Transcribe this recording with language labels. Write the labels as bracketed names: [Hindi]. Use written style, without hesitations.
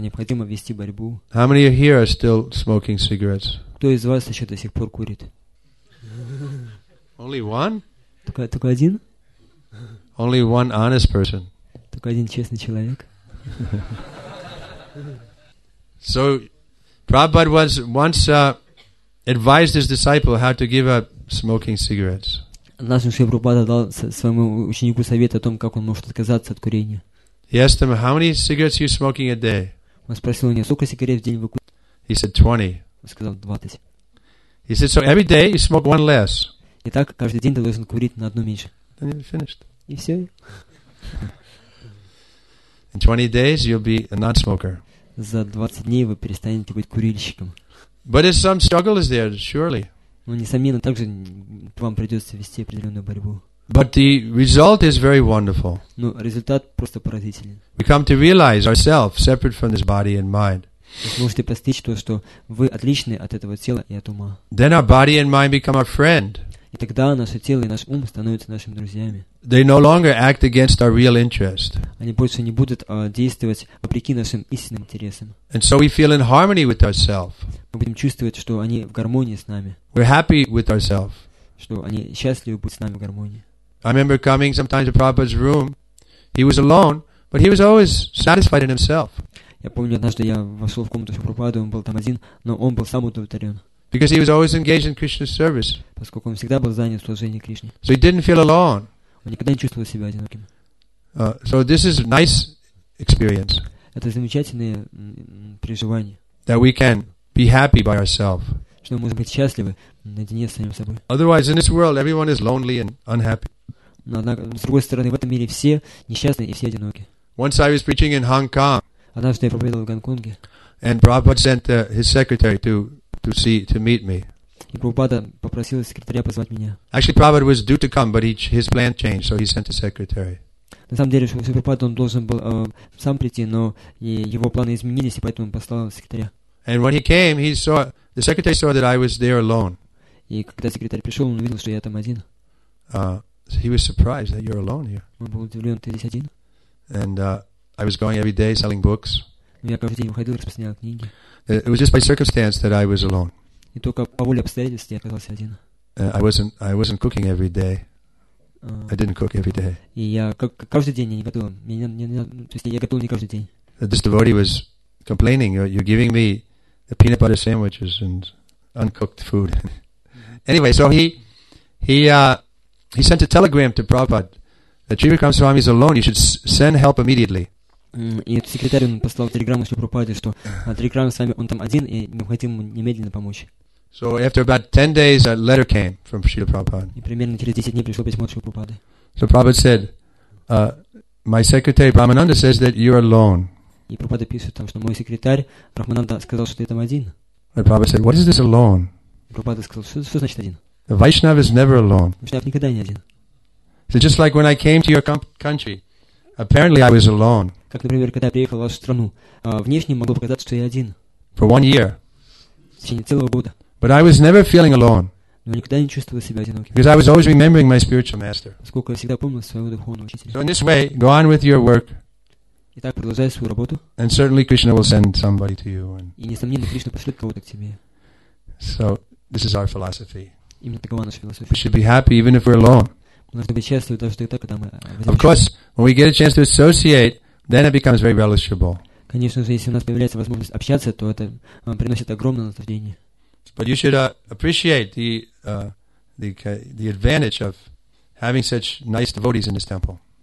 [Russian] Необходимо вести борьбу. [English] How many of you here are still smoking cigarettes? [Russian] Кто из вас еще до сих пор курит? [English] Only one. [Russian] Только один? [English] Only one honest person. [Russian] Только один честный человек. [English] So, Prabhupada was once advised his disciple how to give up smoking cigarettes. [Russian] Однажды Шри Прабхупада дал своему ученику совет о том, как он может отказаться от курения. [English] He asked him, "How many cigarettes are you smoking a day?" [Russian] Он спросил у него, сколько сигарет в день вы курите? [English] He said, 20. [Russian] Он сказал, 20. [English] He said, "So every day you smoke one less." [Russian] Итак, каждый день ты должен курить на одну меньше. [English] Then you're finished. [Russian] И все. [English] In 20 days you'll be a non-smoker. [Russian] За 20 дней вы перестанете быть курильщиком. [English] But if some struggle is there, surely. [Russian] Но несомненно, также вам придется вести определенную борьбу. [English] But the result is very wonderful. [Russian] Но результат просто поразителен. [English] We come to realize ourselves separate from this body and mind. [Russian] Вы можете постичь то, что вы отличны от этого тела и от ума. [English] Then our body and mind become our friend. [Russian] И тогда наше тело и наш ум становятся нашими друзьями. [English] They no longer act against our real interest. [Russian] Они больше не будут действовать вопреки нашим истинным интересам. [English] And so we feel in harmony with ourselves. [Russian] Мы будем чувствовать, что они в гармонии с нами. [English] We're happy with ourselves. [Russian] Что они счастливы быть с нами в гармонии. [English] I remember coming sometimes to Prabhupada's room. He was alone, but he was always satisfied in himself. [Russian] Я помню, однажды я вошел в комнату Шри Прабхупады, он был там один, но он был сам удовлетворен. [English] Because he was always engaged in Krishna's service. [Russian] Поскольку он всегда был занят в служении Кришне. [English] So he didn't feel alone. [Russian] Он никогда не чувствовал себя одиноким. [English] So this is nice experience. [Russian] Это замечательное переживание. [English] That we can be happy by ourselves. [Russian] Что мы можем быть счастливы наедине с самим собой. [English] Otherwise, in this world, everyone is lonely and unhappy. [Russian] Но однако, с другой стороны, в этом мире все несчастны и все одиноки. [English] Once I was preaching in Hong Kong. [Russian] Однажды я проповедовал в Гонконге. [English] And Prabhupada sent his secretary to meet me. [Russian] И Прабхупада попросил секретаря позвать меня. [English] Actually, Prabhupada was due to come, but his plan changed, so he sent a secretary. [Russian] На самом деле, Шрила Прабхупада он должен был сам прийти, но его планы изменились, и поэтому он послал секретаря. [English] And when he came, the secretary saw that I was there alone. [Russian] И когда секретарь пришел, он увидел, что я там один. [English] So he was surprised that you're alone here. [Russian] Он был удивлен, ты здесь один. [English] And I was going every day selling books. [Russian] Я каждый день выходил, распространял книги. [English] It was just by circumstance that I was alone. [Russian] И только по воле обстоятельств я оказался один. [English] I wasn't cooking every day. I didn't cook every day. [Russian] И я каждый день я не готовил. Я готовил не каждый день. [English] This devotee was complaining. You're giving me the peanut butter sandwiches and uncooked food. Anyway, so he sent a telegram to Prabhupada that Sri Vikramaswamy is alone. You should send help immediately. [Russian] И этот секретарь он послал телеграмму Шри Прабхупаде, что телеграмма с вами, он там один, и мы хотим ему немедленно помочь. [English] So after about 10 days, a letter came from Srila Prabhupada. [Russian] И примерно через 10 дней пришло письмо Шри Прабхупады. [English] So Prabhupada said, my secretary Brahmananda says that you're alone. [Russian] И Прабхупада пишет там, что мой секретарь Брахмананда сказал, что ты там один. [English] And Prabhupada said, what is this alone? [Russian] И Прабхупада сказал, что значит один? [English] The Vaishnava is never alone. [Russian] Вайшнав никогда не один. [English] So just like when I came to your country, apparently I was alone. [Russian] Как, например, когда я приехал в вашу страну, внешне могло показаться, что я один. [English] For one year. [Russian] В течение целого года. [English] But I was never feeling alone. [Russian] Но никогда не чувствовал себя одиноким. [English] Because I was always remembering my spiritual master. [Russian] Поскольку я всегда помнил своего духовного учителя. [English] So in this way, go on with your work. [Russian] Итак, продолжай свою работу. [English] And certainly Krishna will send somebody to you. [Russian] И несомненно, Кришна пошлет кого-то к тебе. [English] So this is our philosophy. [Russian] Именно такова наша философия. [English] We should be happy even if we're alone. [Russian] Мы должны быть счастливы даже тогда, когда мы. [English] Of course, when we get a chance to associate. Then it becomes very relishable. [Russian] Конечно же, если у нас появляется возможность общаться, то это приносит огромное наслаждение. [English] But you should appreciate the advantage of having such nice devotees in this temple.